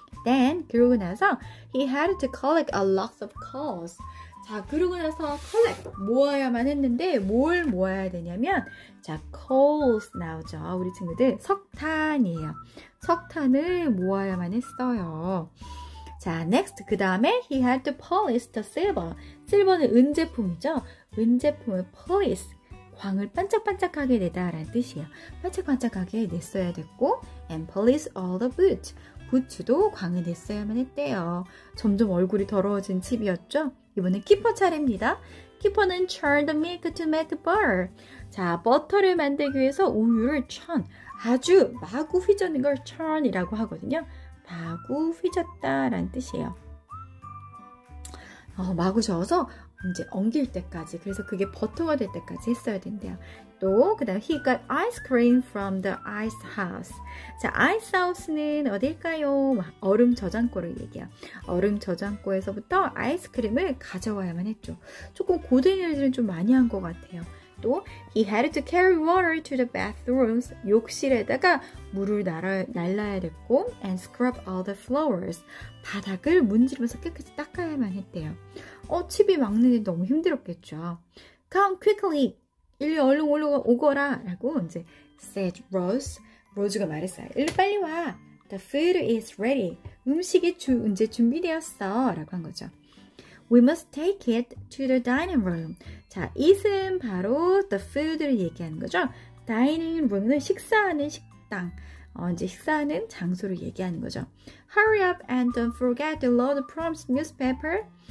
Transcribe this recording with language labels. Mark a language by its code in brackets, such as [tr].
[en] Then, [ko] 그러고 나서 [en] he had to collect a lot of calls. [ko] 자, 그러고 나서 collect 모아야만 했는데 뭘 모아야 되냐면 자, coals 나오죠. 우리 친구들 석탄이에요. 석탄을 모아야만 했어요. [en] 자, next [ko] 그 다음에 [en] he had to polish the silver. [ko] 실버는 은제품이죠. 은제품을 polish, 광을 반짝반짝하게 내다라는 뜻이에요. 반짝반짝하게 냈어야 됐고 [en] and polish all the boots. [ko] 부츠도 광을 냈어야만 했대요. 점점 얼굴이 더러워진 칩이었죠. 이번엔 키퍼 차례입니다. [en] 키퍼는 churn the milk to make butter. [ko] 자, 버터를 만들기 위해서 우유를 [en] churn. [ko] 아주 마구 휘저는 걸 churn이라고 하거든요. 마구 휘졌다라는 뜻이에요. 마구 저어서 이제 엉길 때까지, 그래서 그게 버터가 될 때까지 했어야 된대요. 또 그 다음 [en] he got ice cream from the ice house. [ko] 자, ice house는 어딜까요? 얼음 저장고를 얘기해요. 얼음 저장고에서부터 아이스크림을 가져와야만 했죠. 조금 고된 일들은 좀 많이 한 것 같아요. [en] 또 he had to carry water to the bathrooms. [ko] 욕실에다가 물을 날라야 됐고 [en] and scrub all the floors. [ko] 바닥을 문지르면서 깨끗이 닦아야만 했대요. 칩이 막는데 너무 힘들었겠죠. [en] Come quickly. [ko] 일리 얼른 오거라 라고 이제 [en] said Rose. [ko] 로즈가 말했어요. 일리 빨리 와. [en] The food is ready. [ko] 음식이 이제 준비되었어 라고 한 거죠. [en] We must take it to the dining room. [ko] 자, it은 바로 the food를 얘기하는 거죠. Dining room은 식사하는 식당. 이제 식사하는 장소를 얘기하는 거죠. [en] Hurry up and don't forget the Lord Plum's newspaper.